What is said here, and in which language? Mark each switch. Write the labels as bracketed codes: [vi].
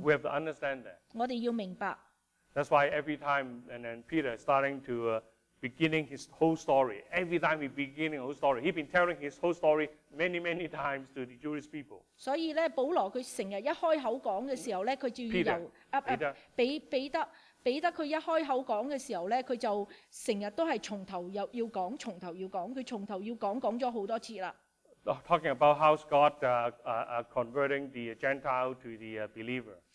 [en] We have to understand that. [zh] 我們要明白。 [en] That's why every time and then Peter starting to beginning his whole story. Every time he beginning a whole story, he's been telling his whole story many, many times to the Jewish people. [zh] 所以呢保羅他成日一開口講的時候呢他就要由 彼得他一開口講的時候呢他就成日都是從頭要講從頭要講他從頭要講講了很多次了。 [en] Talking about how God converting the Gentile to the believer.